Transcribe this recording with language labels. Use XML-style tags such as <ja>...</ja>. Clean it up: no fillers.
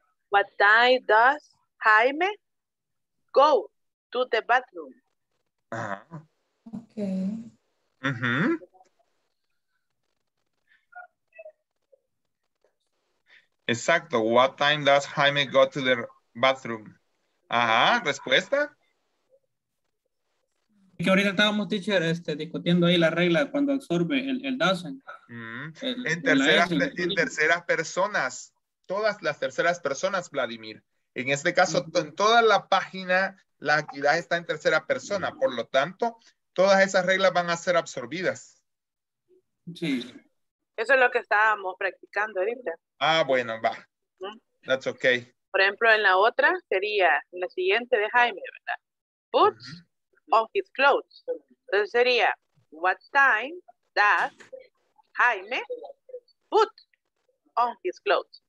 <en>What time does Jaime go to the bathroom?</en> <es>Ajá.</es> <en>Ok.</en> <es>Exacto,</es> <en>what time does Jaime go to the bathroom?</en> <es>Ajá, respuesta. Que ahorita estábamos, teacher, discutiendo ahí la regla cuando absorbe el doesn't. En terceras personas, todas las terceras personas, Vladimir. En este caso, en toda la página, la actividad está en tercera persona. Por lo tanto, todas esas reglas van a ser absorbidas. Sí. Eso es lo que estábamos practicando ahorita. Ah, bueno, va.</es> <en>That's okay.</en> <es>Por ejemplo, en la otra sería la siguiente de Jaime, ¿verdad?</es> <en>Puts on his clothes.</en> <es>Entonces sería,</es> <en>what time does Jaime put on his clothes?</en>